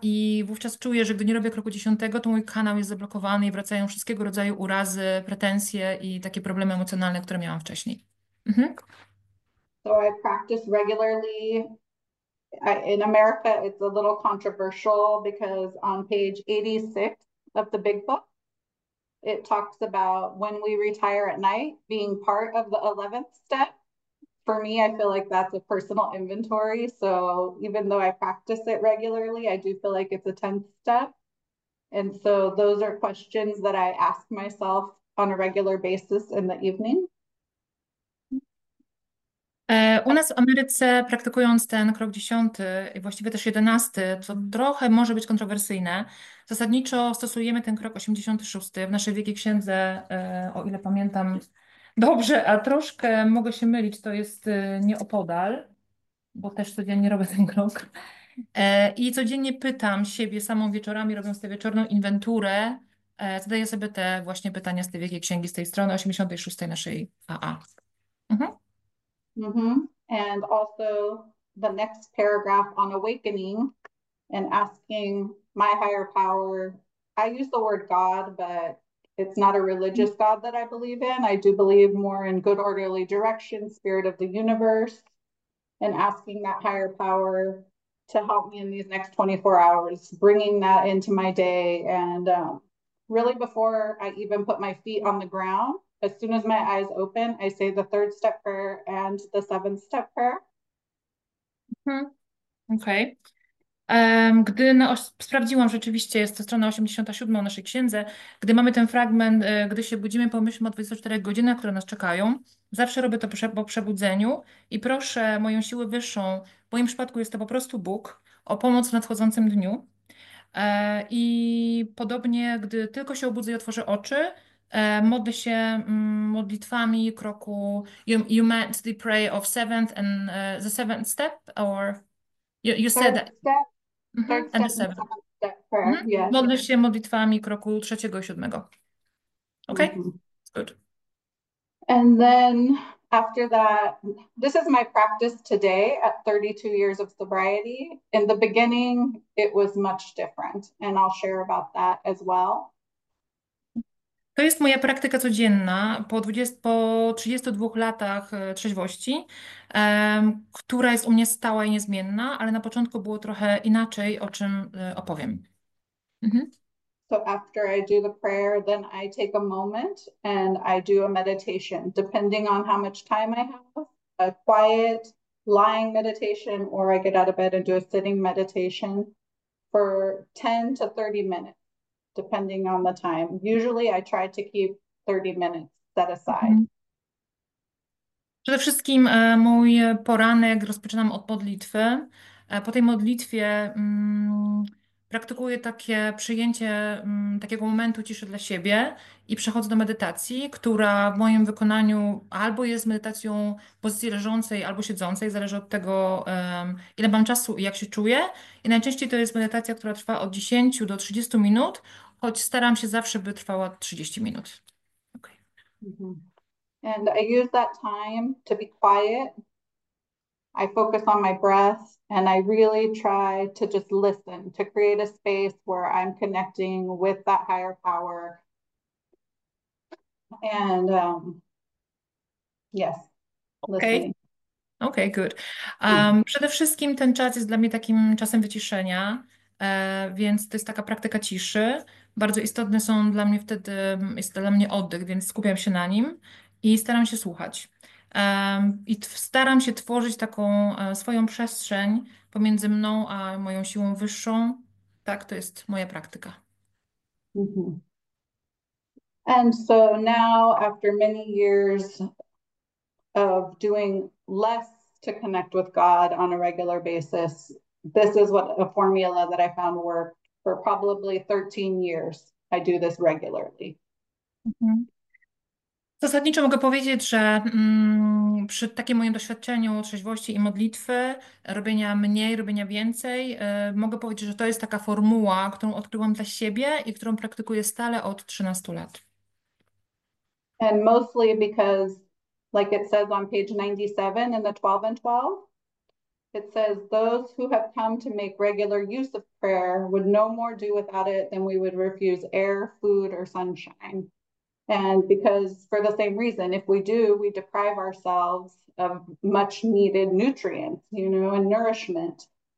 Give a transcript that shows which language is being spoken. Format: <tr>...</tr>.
<pl>I wówczas czuję, że gdy nie robię kroku 10, to mój kanał jest zablokowany i wracają wszystkiego rodzaju urazy, pretensje i takie problemy emocjonalne, które miałam wcześniej.</pl> <en>So I practice regularly. In America, it's a little controversial because on page 86 of the big book, it talks about when we retire at night being part of the 11th step. For me, I feel like that's a personal inventory. So even though I practice it regularly, I do feel like it's a 10th step. And so those are questions that I ask myself on a regular basis in the evening.</en> <pl>U nas w Ameryce praktykując ten krok 10 i właściwie też 11, co trochę może być kontrowersyjne, zasadniczo stosujemy ten krok 86 w naszej Wielkiej Księdze, o ile pamiętam dobrze, a troszkę mogę się mylić, to jest nieopodal, bo też codziennie robię ten krok. I codziennie pytam siebie samą wieczorami, robiąc tę wieczorną inwenturę, zadaję sobie te właśnie pytania z tej Wielkiej Księgi, z tej strony 86 naszej AA.</pl> <en>And also the next paragraph on awakening and asking my higher power. I use the word God, but It's not a religious God that I believe in. I do believe more in good, orderly direction, spirit of the universe, and asking that higher power to help me in these next 24 hours, bringing that into my day. And really, before I even put my feet on the ground, as soon as my eyes open, I say the third step prayer and the seventh step prayer. Okej. Okay.</en> <pl>Gdy no, sprawdziłam, rzeczywiście jest to strona 87 o naszej księdze. Gdy mamy ten fragment, gdy się budzimy, pomyślmy o 24 godzinach, które nas czekają. Zawsze robię to po przebudzeniu i proszę moją siłę wyższą, w moim przypadku jest to po prostu Bóg, o pomoc w nadchodzącym dniu. I podobnie, gdy tylko się obudzę i otworzę oczy, modlę się modlitwami kroku.</pl> <en>You meant the prayer of seventh and the seventh step, or you said that. Third And the step and seventh. seventh step prayer. Yes.</en> <pl>Modlę się modlitwami kroku trzeciego i siódmego.</pl> <en>Okay, good. And then after that, this is my practice today at 32 years of sobriety. In the beginning, it was much different, and I'll share about that as well.</en> <pl>To jest moja praktyka codzienna po 32 latach trzeźwości, która jest u mnie stała i niezmienna, ale na początku było trochę inaczej, o czym opowiem.</pl> <en>So after I do the prayer, then I take a moment and I do a meditation, depending on how much time I have, a quiet lying meditation, or I get out of bed and do a sitting meditation for 10 to 30 minutes, depending on the time. Usually I try to keep 30 minutes set aside.</en> <pl>Przede wszystkim mój poranek rozpoczynam od modlitwy. Po tej modlitwie praktykuję takie przyjęcie takiego momentu ciszy dla siebie i przechodzę do medytacji, która w moim wykonaniu albo jest medytacją w pozycji leżącej, albo siedzącej, zależy od tego, ile mam czasu i jak się czuję. I najczęściej to jest medytacja, która trwa od 10 do 30 minut, choć staram się zawsze, by trwała 30 minut.</pl> <en>And I use that time to be quiet. I focus on my breath and I really try to just listen to create a space where I'm connecting with that higher power. And yes, Okay. listening. Okay, good.</en> <pl>Przede wszystkim ten czas jest dla mnie takim czasem wyciszenia, więc to jest taka praktyka ciszy. Bardzo istotne są dla mnie wtedy, jest dla mnie oddech, więc skupiam się na nim i staram się słuchać. I staram się tworzyć taką swoją przestrzeń pomiędzy mną a moją siłą wyższą. Tak, to jest moja praktyka.</pl> <en>And so now, after many years of doing less to connect with God on a regular basis, this is what a formula that I found worked for probably 13 years. I do this regularly.</en> <pl>Zasadniczo mogę powiedzieć, że przy takim moim doświadczeniu trzeźwości i modlitwy, robienia mniej, robienia więcej, mogę powiedzieć, że to jest taka formuła, którą odkryłam dla siebie i którą praktykuję stale od 13 lat.</pl> <en>And mostly because, like it says on page 97 in the 12 and 12, it says, those who have come to make regular use of prayer would no more do without it than we would refuse air, food, or sunshine. And because, for the same reason, if we do, we deprive ourselves of much needed nutrients, and nourishment.</en>